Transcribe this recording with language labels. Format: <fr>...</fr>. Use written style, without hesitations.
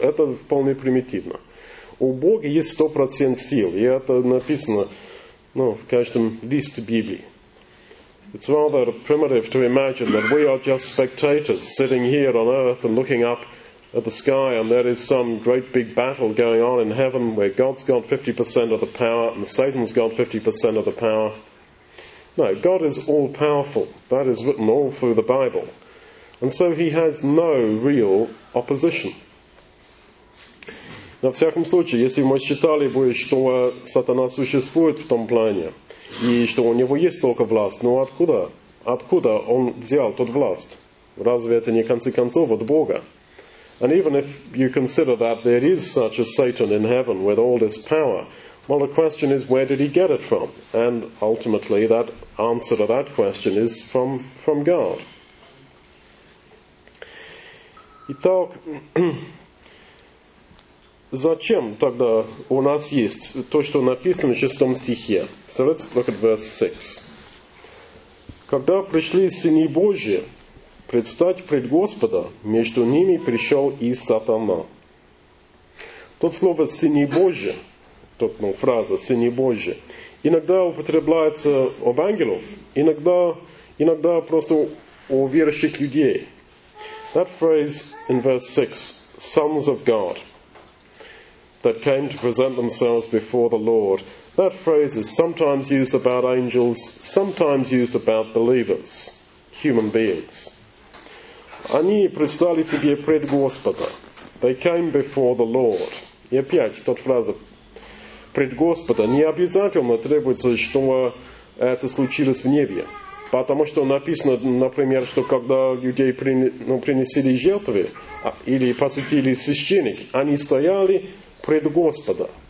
<ru>Это вполне примитивно. У Бога есть 100% сил, и это написано в каждом листе Библии.</ru> <en>It's rather primitive to imagine that we are just spectators sitting here on earth and looking up at the sky and there is some great big battle going on in heaven where God's got 50% of the power and Satan's got 50% of the power. No, God is all powerful. That is written all through the Bible. And so he has no real opposition.</en> <ru>На всяком случае, если мы считали бы, что сатана существует в том плане, и что у него есть только власть, ну откуда? Откуда он взял тот власть? Разве это не концы концов от Бога?</ru> <en>And even if you consider that there is such a Satan in heaven with all this power, well, the question is, where did he get it from? And ultimately, that answer to that question is from God.</en> <ru>Итак, зачем тогда у нас есть то, что написано в 6 стихе?</ru> <en>So let's look at verse 6.</en> <ru>Когда пришли сыны Божии предстать пред Господа, между ними пришел и сатана. Тот слово «сыны Божии», тот, ну, фраза «сыны Божии», иногда употребляется об ангелов, иногда просто о верующих людей.</ru> <en>That phrase in verse 6, sons of God, that came to present themselves before the Lord, that phrase is sometimes used about angels, sometimes used about believers, human beings.</en> <ru>Они предстали себе пред Господа.</ru> <en>They came before the Lord.</en> <ru>И опять, тот фраза «пред Господа» не обязательно требуется, что это случилось в небе. Потому что написано, например, что когда людей принесли жертвы или посвятили священник, они стояли пред Господа.</ru>